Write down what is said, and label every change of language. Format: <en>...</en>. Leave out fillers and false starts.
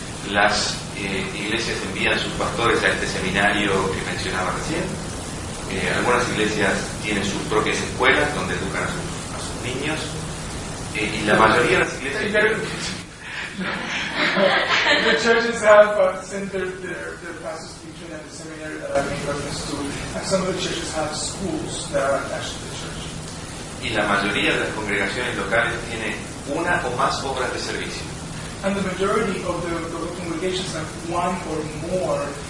<es>Las iglesias envían sus pastores a este seminario que mencionaba recién. Algunas iglesias tienen sus propias escuelas donde educan a sus niños. Y la mayoría de las iglesias.</es> <en>The churches have sent their pastors teaching at the seminary that I've been reference to, and some of the churches have schools that are attached to the church.</en> <es>Y la mayoría de las congregaciones locales tiene una o más obras de servicio.</es> <en>And the majority of the congregations have one or more</en>